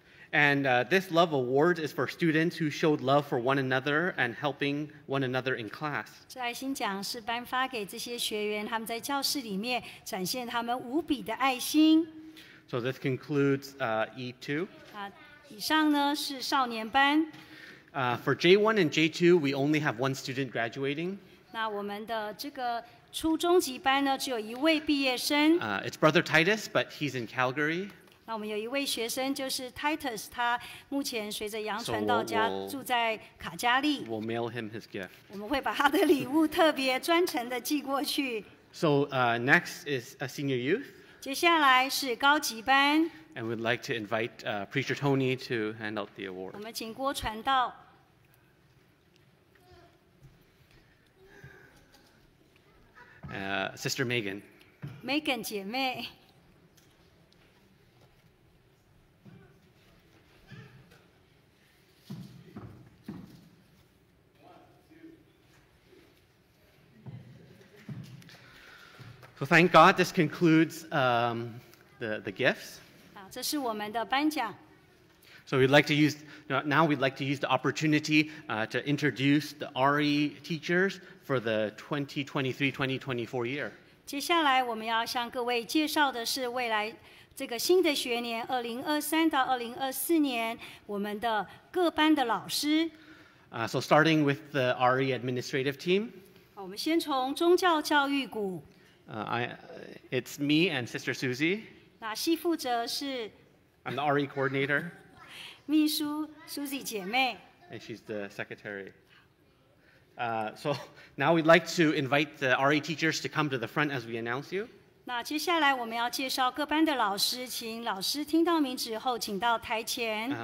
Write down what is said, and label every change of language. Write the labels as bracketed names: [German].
[English] And this love award is for students who showed love for one another and helping one another in class. [Chinese] 这爱心奖是颁发给这些学员，他们在教室里面展现他们无比的爱心。 [English] So this concludes E2. [Chinese] 以上呢是少年班。 [English] For J1 and J2, we only have one student graduating. [Chinese] 那我们的这个初中级班呢，只有一位毕业生。 [English] It's Brother Titus, but he's in Calgary. [Chinese] 那我们有一位学生就是 Titus, 他目前随着杨传道家住在卡加利。 [English] We'll mail him his gift. [Chinese] 我们会把他的礼物特别专程的寄过去。 [English] So next is a senior youth. [Chinese] 接下来是高级班。 [English] And we'd like to invite Preacher Tony to hand out the award. [Chinese] 我们请郭传道。 [English] Sister Megan. [Chinese] Megan 姐妹。 [English] So thank God this concludes the gifts. [Chinese] 这是我们的颁奖。 [English] So we'd like to use, now we'd like to use the opportunity to introduce the RE teachers for the 2023-2024 year. [Chinese] 接下来我们要向各位介绍的是未来这个新的学年2023-2024年我们的各班的老师。 [English] So starting with the RE administrative team. [Chinese] 我们先从宗教教育股。 [English] It's me and Sister Susie. [Chinese] 那系负责是 [English] ，I'm the RE coordinator. [Chinese] 秘书 Susie 姐妹 [English] ，and she's the secretary. So now we'd like to invite the RE teachers to come to the front as we announce you. [Chinese] 那接下来我们要介绍各班的老师，请老师听到名字后，请到台前。